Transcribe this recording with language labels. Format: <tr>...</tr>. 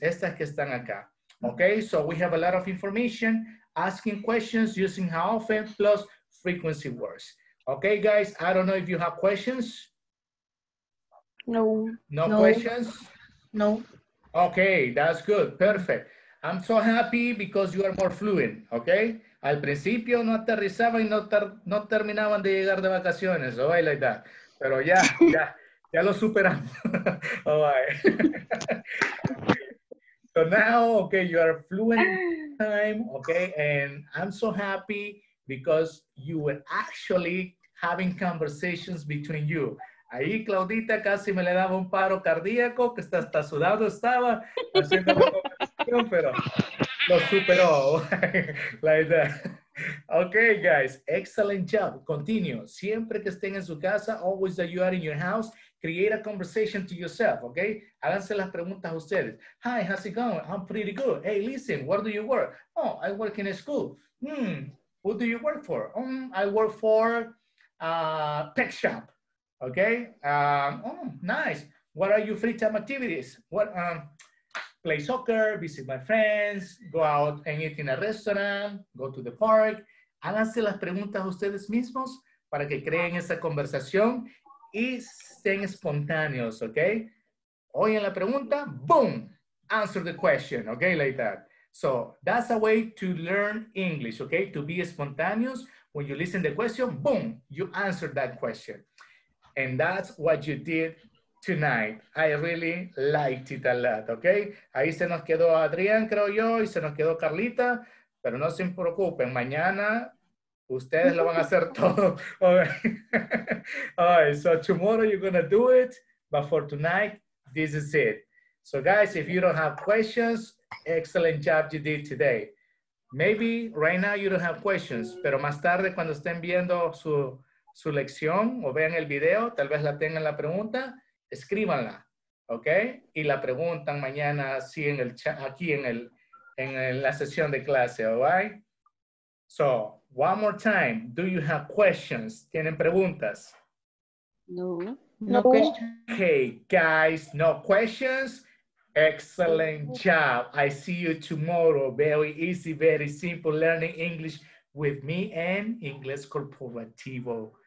<es>Estas que están acá.</es> <en>Okay, so we have a lot of information, asking questions, using how often, plus frequency words. Okay, guys, I don't know if you have questions. No questions? No. Okay, that's good. Perfect. I'm so happy because you are more fluent, okay?</en> <es>Al principio no aterrizaban y no terminaban de llegar de vacaciones.</es> <en>Oh, like that.</en> <es>Pero ya, ya, ya lo superamos.</es> <en>Oh, so now, okay, you are fluent time, okay? And I'm so happy because you were actually having conversations between you.</en> <es>Ahí Claudita casi me le daba un paro cardíaco, que hasta sudado estaba, haciendo una conversación, pero lo superó.</es> <en>Like that. Okay, guys, excellent job. Continue.</en> <es>Siempre que estén en su casa,</es> <en>always that you are in your house,</en> <es>create a conversation to yourself, okay? Háganse las preguntas a ustedes.</es> <en>Hi, how's it going? I'm pretty good. Hey, listen, where do you work? Oh, I work in a school. Hmm, who do you work for? I work for a tech shop, okay? Oh, nice. What are your free time activities? What? Play soccer, visit my friends, go out and eat in a restaurant, go to the park.</en> <es>Háganse las preguntas a ustedes mismos para que creen esa conversación y estén espontáneos, okay?</es> <en>Oyen la pregunta, boom, answer the question, okay, like that. So that's a way to learn English, okay? To be spontaneous, when you listen to the question, boom, you answer that question. And that's what you did tonight. I really liked it a lot, okay?</en> <es>Ahí se nos quedó Adrián, creo yo, y se nos quedó Carlita, pero no se preocupen, mañana ustedes lo van a hacer todo.</es> <en>All right. All right, so tomorrow you're gonna do it, but for tonight, this is it. So guys, if you don't have questions, excellent job you did today. Maybe right now you don't have questions,</en> <es>pero más tarde cuando estén viendo su lección o vean el video, tal vez la tengan la pregunta, escríbanla,</es> <en>okay?</en> <es>Y la preguntan mañana así en el chat, aquí en la sesión de clase, all right?</es> <en>So, one more time, do you have questions?</en> <es>¿Tienen preguntas? No.</es> <en>No questions. Okay, guys, no questions. Excellent job. I see you tomorrow. Very easy, very simple learning English with me and Ingles Corporativo.</en>